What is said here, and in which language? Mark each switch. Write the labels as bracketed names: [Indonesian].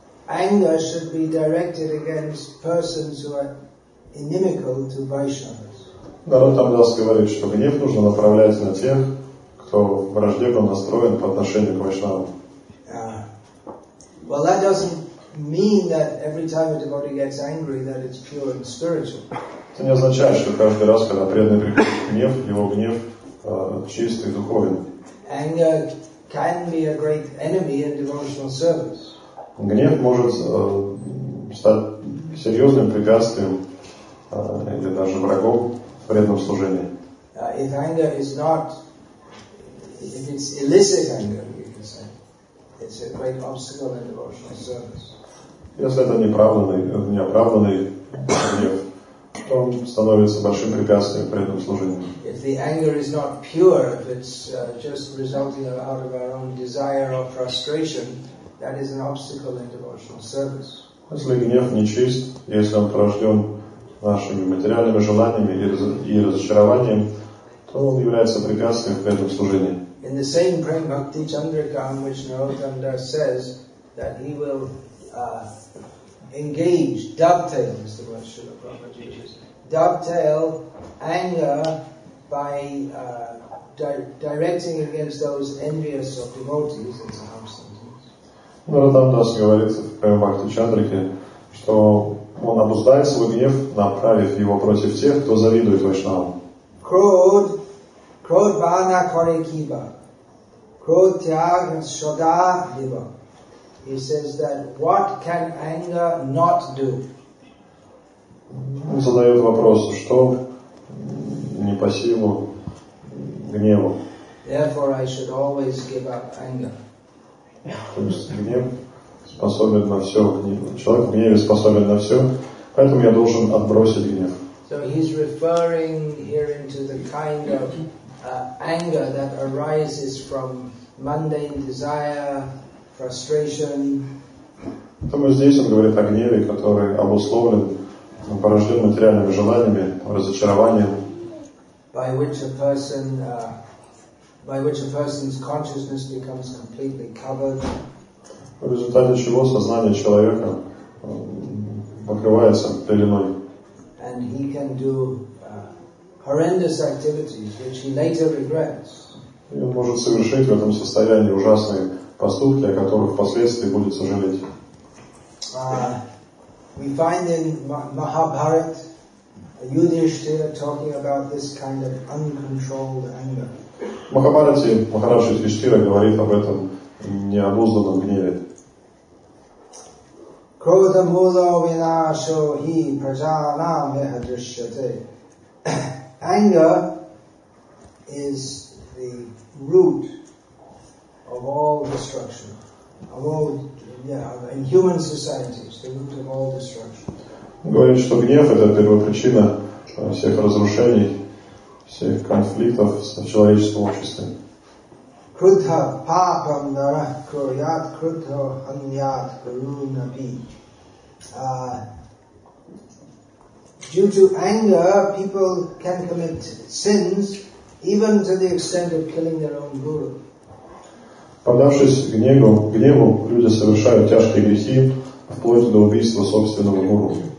[English] Anger should be directed against persons who are inimical to Vaishnavas. [Russian] Narottam Das говорит, что гнев нужно направлять на тех, кто враждебно настроен по отношению к вайшнавам. [English] Well, that doesn't mean that every time a devotee gets angry, that it's pure and spiritual. [Russian] Это не означает, что каждый раз, когда преданный приходит гнев, его гнев чистый и духовен. [English] Anger can be a great enemy in devotional service. [Russian] Гнев может стать серьезным препятствием или даже врагом в преданном служении. [English] If anger is not If it's illicit anger, we can say, it's a great obstacle in devotional service. [Russian] Если это неоправданный гнев, то он становится большим препятствием при этом служении. [English] If the anger is not pure, if it's just resulting out of our own desire or frustration, that is an obstacle in devotional service. [Russian] Если гнев нечист, если он порожден нашими материальными желаниями и разочарованием, то он является препятствием при этом служении. [English] In the same Prem Bhakti Chandrakam, which Narottam Das says that he will engage, dovetail, is the word Srila Prabhupada uses, dovetail anger by directing against those envious of devotees in the house sentence. [Russian] Ну, там даже говорится в Бхакти-чандрике, что он обуздает свой гнев, направив его против тех, кто завидует вайшнавам. [Bangla] Крод бана коре киба. Крод тяг сода либо. [English] He says that what can anger not do? [Russian] Он задает вопрос, что не по силу гневу. [English] Therefore I should always give up anger. [Russian] То есть гнев способен на все. Человек в гневе способен на все, поэтому я должен отбросить гнев. [English] So he's referring here into the kind of anger that arises from mundane desire, frustration. [Russian] Поэтому здесь он говорит о гневе, который обусловлен порожден материальными желаниями, разочарованием. [English] By which a person, by which a person's consciousness becomes completely covered. [Russian] В результате чего сознание человека покрывается пеленой. [English] And he can do horrendous activities, which he later regrets. [Russian] И он может совершить в этом состоянии ужасные поступки, о которых впоследствии будет сожалеть. [English] We find in Mahabharata Yudhishthira talking about this kind of uncontrolled anger. [Russian] Махабхарате Махараджа Юдхиштхира говорит об этом необузданном гневе. [Sanskrit] Крода мула винашо хи пражанам эха дрищате. [English] Anger is the root of all destruction, of all in human societies, the root of all destruction. [Russian] Говорит, что гнев — это первопричина всех разрушений, всех конфликтов в человеческом обществе. [Sanskrit] Крутха папам нарах курят, крутха ханьят гуру наби. [English] Due to anger, people can commit sins, even to the extent of killing their own guru. [Russian] Поддавшись гневу, люди совершают тяжкие грехи, вплоть до убийства собственного гуру.